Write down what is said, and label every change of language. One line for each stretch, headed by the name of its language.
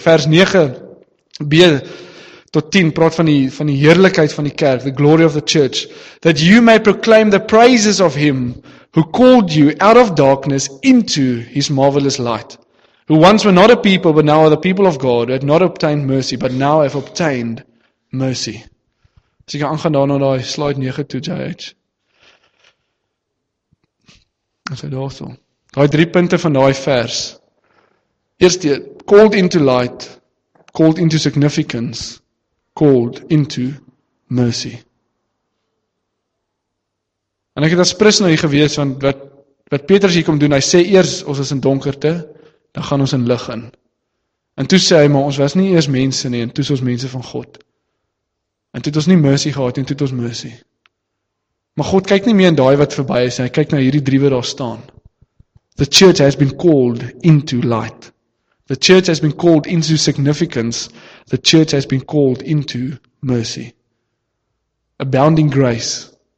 Afrikaans: Vers 9b-10 praat van die heerlijkheid van die kerk,
English: the glory of the church, that you may proclaim the praises of him who called you out of darkness into his marvelous light. Who once were not a people, but now are the people of God, who had not obtained mercy, but now have obtained mercy.
Afrikaans: As jy kan aangaan daar na die slide 9 toe, J.H. As jy daar so. Die drie punte van die vers. Eerste,
English: called into light, called into significance, called into mercy.
Afrikaans: En ek het as pris nou hier gewees, want wat wat Petrus hier kom doen, hy sê eers, ons is in donkerte, dan gaan ons in lig in. En toe sê hy, maar ons was nie eers mense nie, en toe is ons mense van God. En toe het ons nie mercy gehad, en toe het ons mercy. Maar God kyk nie meer in daai wat verby is, en hy kyk na hierdie drie wat daar staan.
English: The church has been called into light. The church has been called into significance. The church has been called into mercy. Abounding grace.